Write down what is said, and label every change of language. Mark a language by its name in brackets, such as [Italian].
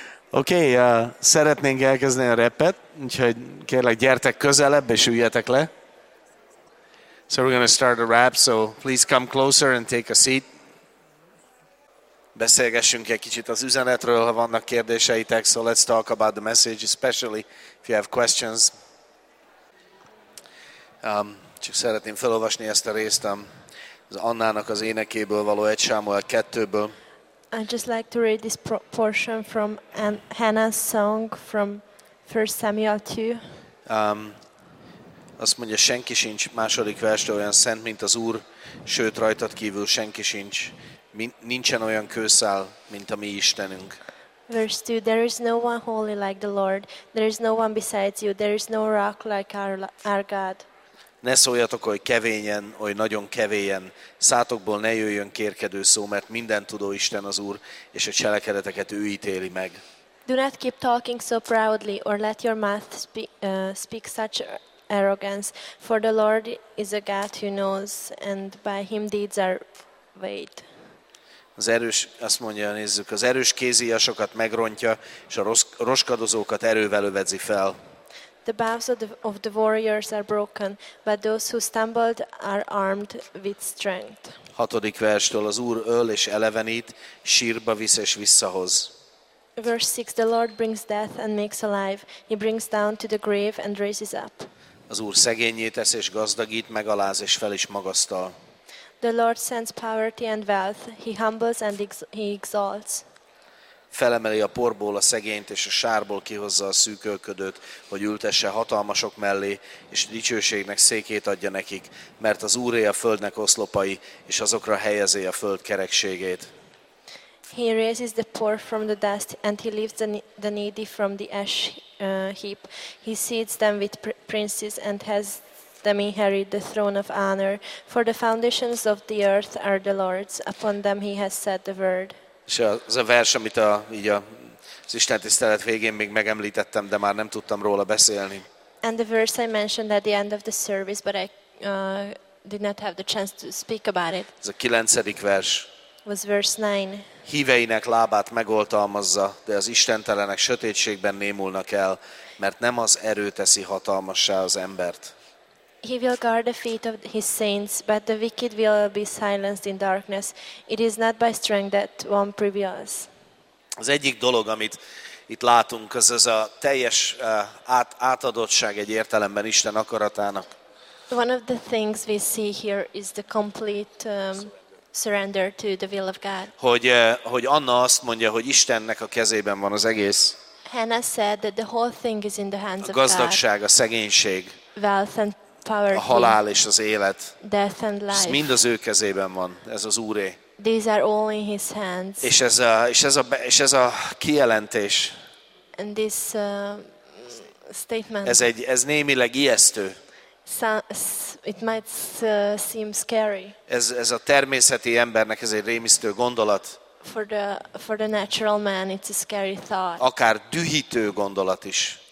[Hungarian] Oké, szeretnénk elkezdeni a repet, úgyhogy kérlek gyertek közelebb és üljetek le. [English] So we're gonna start a rap, so please come closer and take a seat. [Hungarian] Beszélgessünk egy kicsit az üzenetről, ha vannak kérdéseitek, [English] so let's talk about the message, especially if you have questions. [Hungarian] Csak szeretném felolvasni ezt a részt az Annának az énekéből való 1 Sámuel 2-ből. [English] I'd just like to read this portion from Hannah's song from 1 Samuel 2. [Hungarian] Azt mondja, senki sincs második verstől olyan szent, mint az Úr, sőt rajtad kívül senki sincs, nincsen olyan kőszál, mint a mi Istenünk. [English] Verse 2, there is no one holy like the Lord, there is no one besides you, there is no rock like our God. [Hungarian] Ne szóljatok, hogy kevényen, hogy nagyon kevélyen, szátokból ne jöjjön kérkedő szó, mert minden tudó Isten az Úr, és a cselekedeteket ő ítéli meg. [English] Do not keep talking so proudly, or let your mouth speak such arrogance, for the Lord is a God who knows, and by him deeds are weighed. [Hungarian] Az erős, azt mondja, nézzük, az erős kéziasokat megrontja, és a roskadozókat erővel övezi fel. [English] The bows of the warriors are broken, but those who stumbled are armed with strength. [Hungarian] Hatodik verstől az Úr öl és elevenít, sírba visz és visszahoz. [English] Verse 6, the Lord brings death and makes alive. He brings down to the grave and raises up. [Hungarian] Az Úr szegényé tesz és gazdagít, megaláz és fel is magasztal. [English] The Lord sends poverty and wealth. He humbles and he exalts. [Hungarian] Felemeli a porból a szegényt, és a sárból kihozza a szűkölködőt, hogy ültesse hatalmasok mellé, és dicsőségnek székét adja nekik, mert az Úré a földnek oszlopai, és azokra helyezi a föld kerekségét. [English] He raises the poor from the dust, and he lifts the needy from the ash heap. He seats them with princes, and has them inherit the throne of honor. For the foundations of the earth are the Lord's, upon them he has set the word. [Hungarian] És az a vers, amit az istentisztelet végén még megemlítettem, de már nem tudtam róla beszélni. [English] And the verse I mentioned at the end of the service, but I did not have the chance to speak about it. [Hungarian] Ez a 9. vers. [English] Was verse 9. [Hungarian] Híveinek lábát megoltalmazza, de az istentelenek sötétségben némulnak el, mert nem az erő teszi hatalmassá az embert. [English] He will guard the feet of his saints, but the wicked will be silenced in darkness. It is not by strength that one prevails. [Hungarian] Az egyik dolog, amit itt látunk, az a teljes átadottság egy értelemben Isten akaratának. [English] One of the things we see here is the complete surrender to the will of God. [Hungarian] Hogy Anna azt mondja, hogy Istennek a kezében van az egész. [English] Hannah said that the whole thing is in the hands of God. [Hungarian] A gazdagság, a szegénység. [English] Wealth and [Hungarian] a halál és az élet. [English] Death and life. [Hungarian] Ez mind az ő kezében van, ez az Úré. [English] These are all in his hands. [Hungarian] És ez a kijelentés. [English] And this statement. [Hungarian] Ez némileg ijesztő. [English] It might seem scary. [Hungarian] Ez a természeti embernek ez egy rémisztő gondolat. [English] For the natural man it's a scary thought. [Hungarian] Akár dühítő gondolat is.